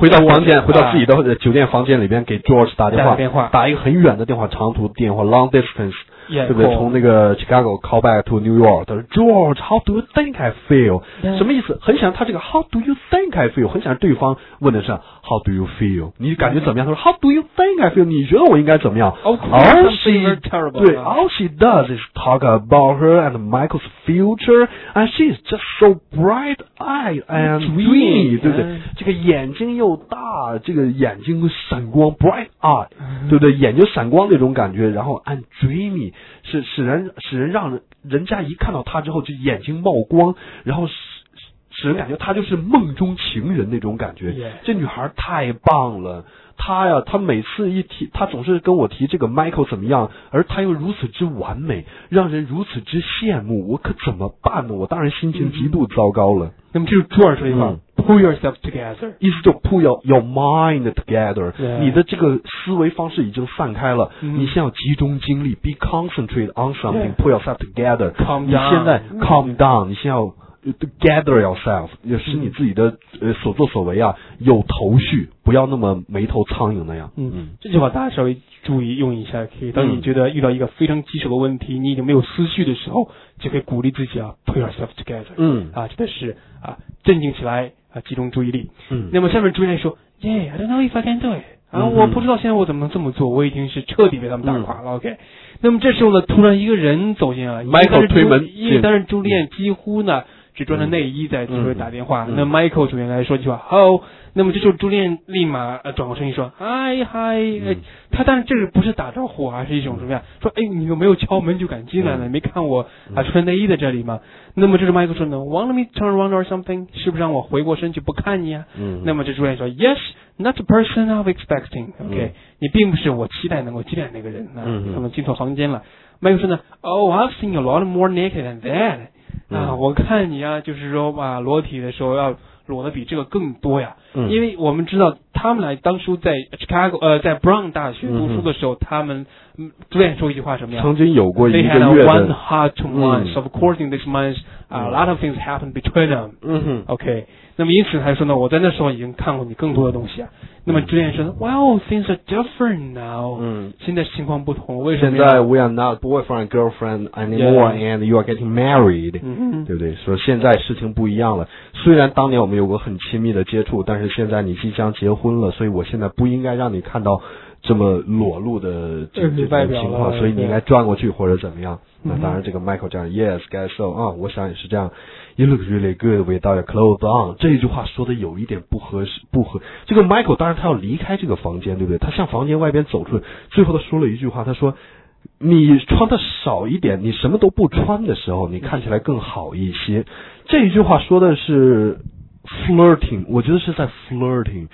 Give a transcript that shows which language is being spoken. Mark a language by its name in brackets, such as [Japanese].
[Chinese] 回到房间、回到自己的酒店房间里边给 George 打电话，电话打一个很远的电话，长途电话 long distance、 [English] yeah, [Chinese] 对不对、 [English] cool. [Chinese] 从那个 [English] Chicago call back to New York， 他说 George how do you think I feel、 yeah. [Chinese] 什么意思，很想他这个 [English] how do you think I feel， [Chinese] 很想对方问的是 [English] how do you feel， [Chinese] 你感觉怎么样、 [English] yeah. [Chinese] 他说 [English] how do you think I feel， [Chinese] 你觉得我应该怎么样、 [English] oh, cool. all, she, terrible, [Chinese] 对、yeah. [English] all she does is talk about her and Michael's futureAnd she's just so bright eyed and dreamy, dreamy [Chinese] 对不对、这个眼睛又大，这个眼睛闪光 bright eye、嗯、对不对，眼睛闪光那种感觉，然后 [English] and dreamy [Chinese] 是使人让人家一看到他之后就眼睛冒光，然后使人感觉他就是梦中情人那种感觉、 [English] yeah. [Chinese] 这女孩太棒了，他呀，他每次一提，他总是跟我提这个 Michael 怎么样，而他又如此之完美，让人如此之羡慕，我可怎么办呢？我当然心情极度糟糕了。嗯、那么就是朱尔说的话 ， [English] pull yourself together， [Chinese] 意思就 [English] pull your mind together，、 yeah. [Chinese] 你的这个思维方式已经散开了， [English] mm-hmm. [Chinese] 你先要集中精力 ， [English] be concentrated on something，pull、 yeah. yourself together， calm down， [Chinese] 你现在 calm down，、mm-hmm. 你先要 [English] gather yourself， [Chinese] 也是你自己的、mm-hmm. 所作所为啊有头绪。不要那么眉头苍蝇那样。嗯，这句话大家稍微注意用一下，可以。当你觉得遇到一个非常棘手的问题，嗯、你已经没有思绪的时候，就可以鼓励自己啊 ， [English] put yourself together。 [Chinese] 嗯，啊，真的是啊，镇静起来啊，集中注意力。嗯，那么下面朱丽叶说 [English] ，Yeah, I don't know if I can do it。 [Chinese] 啊，我不知道现在我怎么能这么做，我已经是彻底被他们打垮了。嗯、 [English] OK。 [Chinese] 那么这时候呢，突然一个人走进来，Michael 推门，因为当时朱丽叶几乎呢。只穿着内衣在组织打电话、嗯、那 Michael 主任来说一句话 Hello、嗯、那么这时候朱丽叶立马转过声音说 Hi Hi、嗯、他当然这不是打招呼还是一种什么样说哎，你又没有敲门就敢进来了、嗯、没看我还穿内衣在这里吗、嗯、那么这时候 Michael 说 [English] No, want me turn around or something [Chinese] 是不是让我回过身去不看你啊、嗯、那么这朱丽叶说 [English] Yes Not the person I'm expecting OK、 [Chinese] 嗯、你并不是我期待能够进来那个人、啊嗯、他们进错房间了、嗯、Michael 说呢 [English] Oh I've seen a lot more naked than that [Chinese] 嗯、啊，我看你啊，就是说啊，裸体的时候要裸的比这个更多呀。嗯。因为我们知道他们俩当初在 Chicago 在 Brown 大学读书的时候，嗯、他们朱丽叶说一句话什么呀？曾经有过一个月的。 [English] They had a one heart to mind.、 [Chinese] 嗯、 [English] of course, in this month, a lot of things happened between them. [Chinese] 嗯哼。 OK， 那么因此他说呢，我在那时候已经看过你更多的东西啊。嗯、那么朱丽叶说 [English] ，Well, things are different now. [Chinese] 嗯。现在情况不同，为什么？现在 [English] we are not boyfriend and girlfriend anymore,、 yeah. and you are getting married. [Chinese] 嗯对不对？说现在事情不一样了。虽然当年我们有过很亲密的接触，但是现在你即将结婚了，所以我现在不应该让你看到这么裸露的 这种情况，所以你应该转过去或者怎么样。那当然这个 Michael 这样 [English] Yes, guess so、 [Chinese] 啊、我想也是这样 [English] You look really good without your clothes on [Chinese] 这一句话说的有一点不合适，不合这个 Michael 当然他要离开这个房间对不对，他向房间外边走出来，最后他说了一句话，他说你穿的少一点，你什么都不穿的时候你看起来更好一些，这一句话说的是flirting， 我觉得是在 flirting、